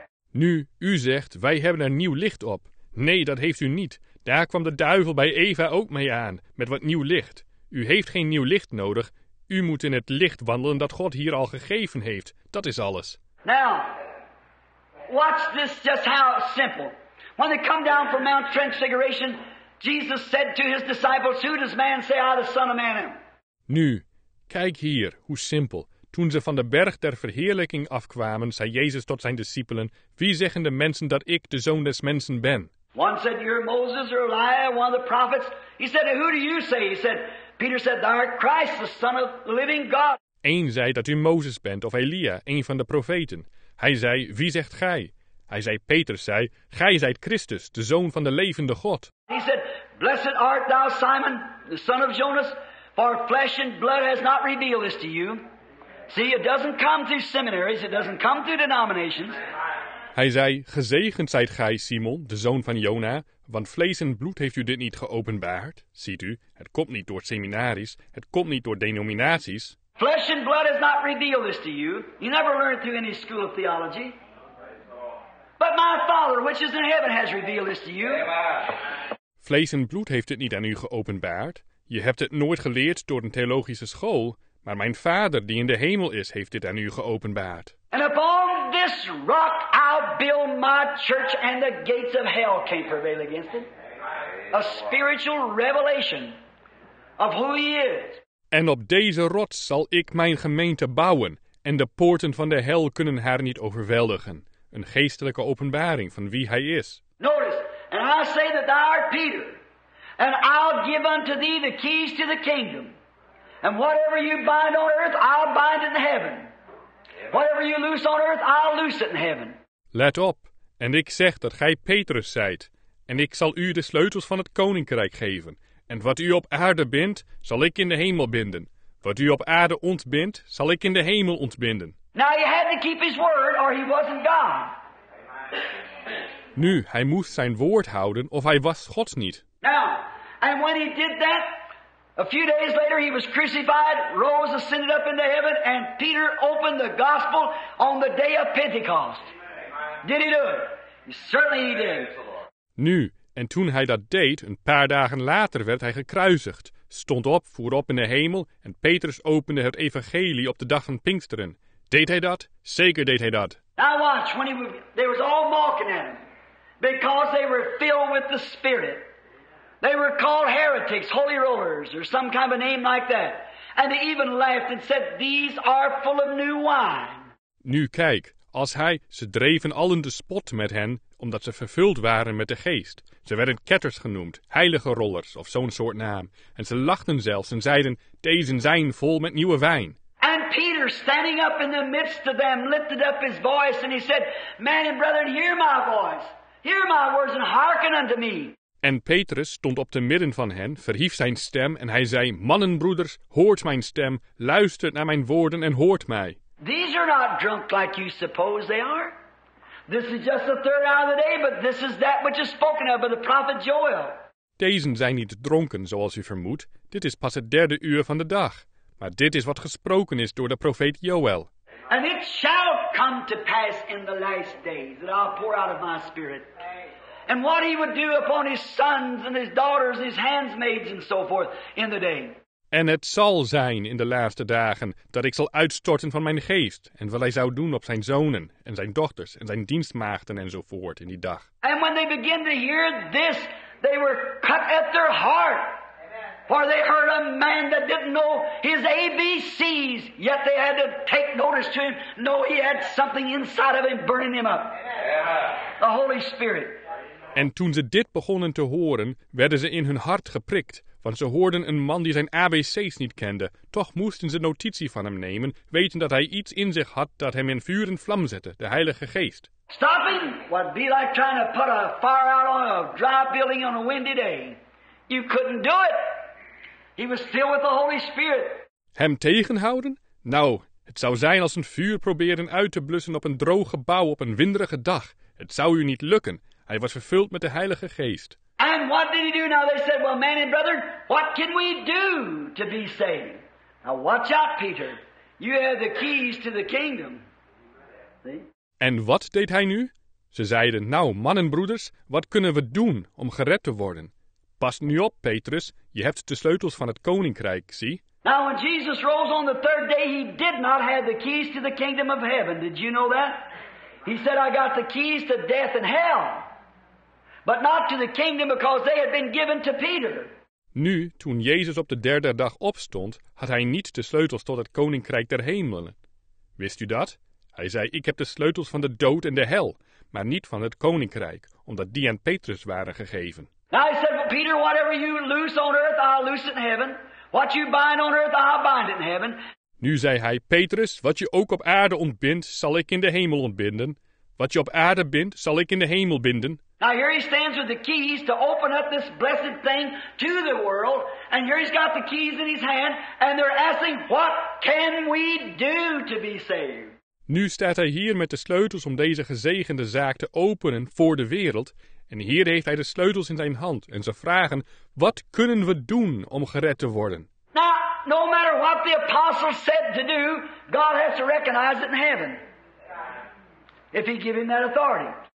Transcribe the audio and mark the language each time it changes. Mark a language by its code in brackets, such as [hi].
[nl] Nu, u zegt, wij hebben er nieuw licht op. Nee, dat heeft u niet. Daar kwam de duivel bij Eva ook mee aan, met wat nieuw licht. U heeft geen nieuw licht nodig. U moet in het licht wandelen dat God hier al gegeven heeft. Dat is alles. [en] Now, watch this just how simple. When they come down from Mount Transfiguration, Jesus said to his disciples, Who does man say I, the Son of Man, am? [nl] Nu, kijk hier, hoe simpel. Toen ze van de berg der verheerlijking afkwamen, zei Jezus tot zijn discipelen, Wie zeggen de mensen dat ik de Zoon des Mensen ben? [en] One said, You're Moses or Elijah, one of the prophets. He said, Who do you say? Peter said, Thou art Christ, the Son of the living God. [nl] Eén zei dat u Mozes bent of Elia, een van de profeten. Hij zei, Wie zegt gij? Hij zei, Peter zei, Gij zijt Christus, de Zoon van de levende God. [en] He said, Blessed art thou, Simon, the son of Jonas, for flesh and blood has not revealed this to you. See, it doesn't come through seminaries, it doesn't come through denominations. [nl] Hij zei, Gezegend zijt gij, Simon, de zoon van Jona, want vlees en bloed heeft u dit niet geopenbaard. Ziet u, het komt niet door seminaries, het komt niet door denominaties. [en] Flesh and blood has not revealed this to you. You never learned through any school of theology. But my Father, which is in heaven, has revealed this to you. [nl] Vlees en bloed heeft dit niet aan u geopenbaard. Je hebt het nooit geleerd door een theologische school, maar mijn Vader, die in de hemel is, heeft dit aan u geopenbaard. [en] And upon this rock I'll build my church, and the gates of hell can't prevail against it. A spiritual revelation of who he is. [nl] En op deze rots zal ik mijn gemeente bouwen, en de poorten van de hel kunnen haar niet overweldigen. Een geestelijke openbaring van wie hij is. [en] Notice, and I say that thou art Peter, and I'll give unto thee the keys to the kingdom. And whatever you bind on earth, I'll bind in heaven. Whatever you loose on earth, I'll loose it in heaven. [nl] Let op, en ik zeg dat gij Petrus zijt, en ik zal u de sleutels van het koninkrijk geven. En wat u op aarde bindt, zal ik in de hemel binden. Wat u op aarde ontbindt, zal ik in de hemel ontbinden. [en] Now he had to keep his word, or he wasn't God. [nl] Nu, hij moest zijn woord houden, of hij was God niet. [en] Now, and when he did that, a few days later he was crucified, rose, ascended up into heaven, and Peter opened the gospel on the day of Pentecost. Did he do it? Certainly he did. [nl] Nu, en toen hij dat deed, een paar dagen later werd hij gekruisigd, stond op, voer op in de hemel, en Petrus opende het evangelie op de dag van Pinksteren. Deed hij dat? Zeker deed hij dat. [en] Now watch, when they was all mocking at him, because they were filled with the Spirit. They were called heretics, holy rollers, or some kind of a name like that. And they even laughed and said, these are full of new wine. [nl] Nu kijk, als hij, ze dreven allen de spot met hen, omdat ze vervuld waren met de geest. Ze werden ketters genoemd, heilige rollers, of zo'n soort naam. En ze lachten zelfs en zeiden, deze zijn vol met nieuwe wijn. [en] And Peter, standing up in the midst of them, lifted up his voice, and he said, Man and brethren, hear my voice. Hear my words and hearken unto me. [nl] En Petrus stond op de midden van hen, verhief zijn stem, en hij zei, Mannen, broeders, hoort mijn stem, luistert naar mijn woorden en hoort mij. [en] These are not drunk like you suppose they are. This is just the third hour of the day, but this is that which is spoken of by the prophet Joel. [nl] Deze zijn niet dronken, zoals u vermoedt. Dit is pas het derde uur van de dag. Maar dit is wat gesproken is door de profeet Joel. [en] And it shall come to pass in the last days that I'll pour out of my spirit. And what he would do upon his sons and his daughters, his handmaids and so forth in the day. [nl] En het zal zijn in de laatste dagen dat ik zal uitstorten van mijn geest en wat hij zou doen op zijn zonen en zijn dochters en zijn dienstmaagden enzovoort in die dag. [en] And when they begin to hear this, they were cut at their heart. For they heard a man that didn't know his ABCs, yet they had to take notice to him. No, he had something inside of him burning him up. The Holy Spirit. [nl] En toen ze dit begonnen te horen, werden ze in hun hart geprikt. Want ze hoorden een man die zijn ABC's niet kende. Toch moesten ze notitie van hem nemen, weten dat hij iets in zich had dat hem in vuur en vlam zette, de Heilige Geest. [en] Stopping would be like trying to put a fire out on a dry building on a windy day. You couldn't do it. He was filled with the Holy Spirit. [nl] Hem tegenhouden? Nou, het zou zijn als een vuur proberen uit te blussen op een droog gebouw op een winderige dag. Het zou u niet lukken. Hij was vervuld met de Heilige Geest. [en] And what did he do? Now they said, well, man and brother, what can we do to be saved? Now watch out, Peter. You have the keys to the kingdom. See? [nl] En wat deed hij nu? Ze zeiden, nou, mannen, broeders, wat kunnen we doen om gered te worden? Pas nu op, Petrus. Je hebt de sleutels van het koninkrijk, zie. [en] Now when Jesus rose on the third day, he did not have the keys to the kingdom of heaven. Did you know that? He said, I got the keys to death and hell. but not to the kingdom because they had been given to Peter. [nl] Nu, toen Jezus op de derde dag opstond, had hij niet de sleutels tot het koninkrijk der hemelen. Wist u dat? Hij zei, ik heb de sleutels van de dood en de hel, maar niet van het koninkrijk, omdat die aan Petrus waren gegeven. [en] Now he said, well, Peter, whatever you loose on earth, I'll loose in heaven. What you bind on earth, I'll bind it in heaven. [nl] Nu zei hij, Petrus, wat je ook op aarde ontbindt, zal ik in de hemel ontbinden. Wat je op aarde bindt, zal ik in de hemel binden. [en] Now here he stands with the keys to open up this blessed thing to the world. And here he's got the keys in his hand. And they're asking, what can we do to be saved? [nl] Nu staat hij hier met de sleutels om deze gezegende zaak te openen voor de wereld. En hier heeft hij de sleutels in zijn hand. En ze vragen, wat kunnen we doen om gered te worden? [en] Now, no matter what the apostles said to do, God has to recognize it in heaven. If he give him that authority.